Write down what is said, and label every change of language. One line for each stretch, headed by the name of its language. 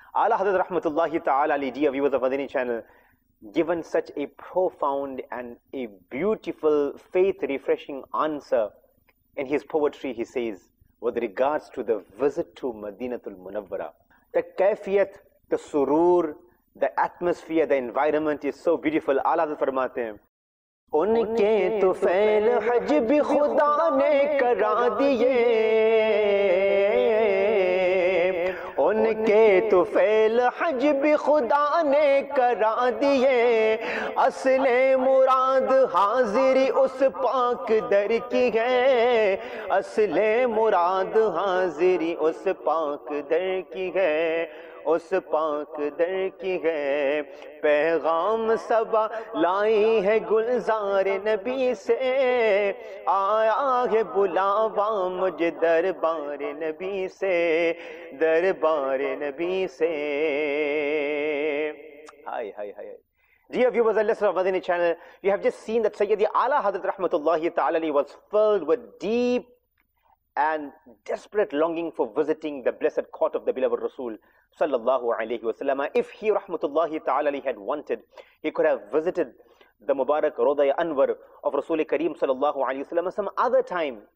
English: Ala Hazrat Rahmatullahi Ta'ala Ali, dear viewers of Madini channel, given such a profound and a beautiful faith-refreshing answer in his poetry, he says, with regards to the visit to Madinatul Munawwara, the kaifiyat, the surur, the atmosphere, the environment is so beautiful. Ala Hazrat farmate hain,
Urdu: ان کے طفیل حج بھی خدا نے کرا دیے, ان کے طفیل حج بھی خدا نے کرا دیے, اصل مراد حاضری اس پاک در کی ہے, اصل مراد حاضری اس پاک در کی ہے, اس پاک در کی ہے, پیغام سبا لائی ہے گلزار نبی سے, آیا ہے بلاوا مجھے دربار نبی سے, دربار نبی سے. ہائے ہائے ہائے.
English: Dear viewers and listeners of Madani channel, you have just seen that Sayyidi Ala Hadrat Rahmatullahi Ta'ala was filled with deep and desperate longing for visiting the blessed court of the beloved Rasul sallallahu alayhi wa sallam. If he rahmatullahi ta'ala had wanted, he could have visited the Mubarak Rawda Anwar of Rasul Kareem sallallahu alayhi wa sallam some other time.